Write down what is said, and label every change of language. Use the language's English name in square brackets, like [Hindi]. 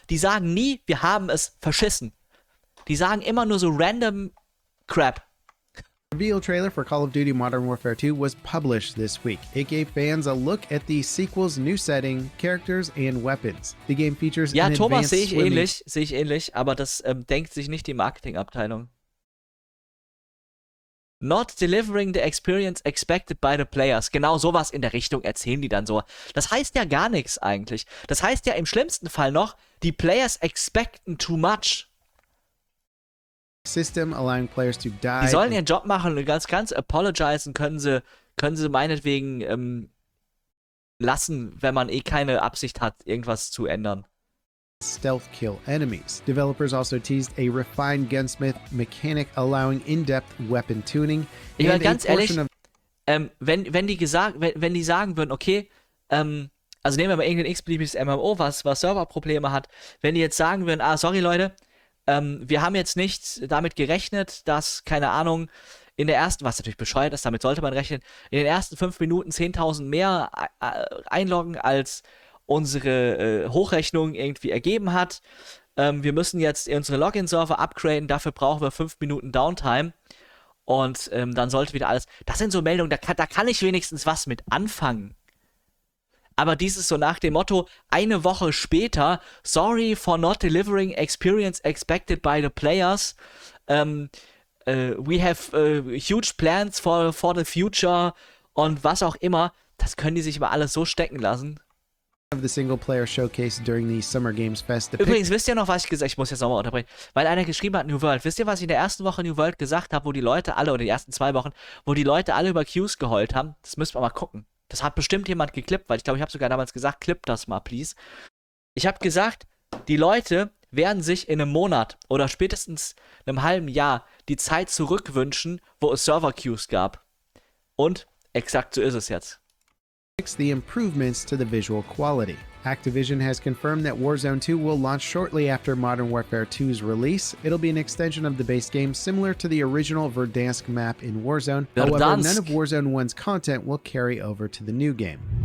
[German] Die sagen nie, wir haben es verschissen. Die sagen immer nur so [English] random crap. The reveal trailer for Call of Duty Modern Warfare 2 was published this week. It gave fans a look at the sequel's new setting, characters and weapons. The game features an advanced swimming... [German] Ja, Thomas, sehe ich ähnlich, aber das denkt sich nicht die Marketingabteilung. [English] Not delivering the experience expected by the players. [German] Genau sowas in der Richtung erzählen die dann so. Das heißt ja gar nichts eigentlich. Das heißt ja im schlimmsten Fall noch, die Players expecten [English] too much. System allowing players to die. [German] Die sollen ihren Job machen und ganz apologizen können sie meinetwegen lassen, wenn man eh keine Absicht hat, irgendwas zu ändern. [English] Stealth kill enemies. Developers also teased a refined gunsmith mechanic allowing in-depth weapon tuning. [German] Ich meine ganz ehrlich, wenn die sagen würden, okay, also nehmen wir mal irgendein x-beliebiges MMO, was Serverprobleme hat, wenn die jetzt sagen würden, ah, sorry Leute, wir haben jetzt nicht damit gerechnet, dass, keine Ahnung, in der ersten, was natürlich bescheuert ist, damit sollte man rechnen, in den ersten 5 Minuten 10.000 mehr einloggen, als unsere Hochrechnung irgendwie ergeben hat. Wir müssen jetzt unsere Login-Server upgraden, dafür brauchen wir 5 Minuten Downtime. Und dann sollte wieder alles, das sind so Meldungen, da kann ich wenigstens was mit anfangen. Aber dieses so nach dem Motto, eine Woche später, [English] sorry for not delivering experience expected by the players, we have huge plans for the future [German] und was auch immer, das können die sich immer alles so stecken lassen. [English] Of the single player showcase during the Summer Games Fest. [German] Übrigens, wisst ihr noch, was ich gesagt habe? Ich muss jetzt nochmal unterbrechen, weil einer geschrieben hat, New World. Wisst ihr, was ich in der ersten Woche New World gesagt habe, wo die Leute alle, oder in den ersten 2 Wochen, wo die Leute alle über Queues geheult haben? Das müsst ihr mal gucken. Das hat bestimmt jemand geklippt, weil ich glaube, ich habe sogar damals gesagt, klippt das mal, please. Ich habe gesagt, die Leute werden sich in einem Monat oder spätestens einem halben Jahr die Zeit zurückwünschen, wo es Server-Queues gab. Und exakt so ist es jetzt. [English] The improvements to the visual quality. Activision has confirmed that Warzone 2 will launch shortly after Modern Warfare 2's release. It'll be an extension of the base game, similar to the original Verdansk map in Warzone. Verdansk. However, none of Warzone 1's content will carry over to the new game.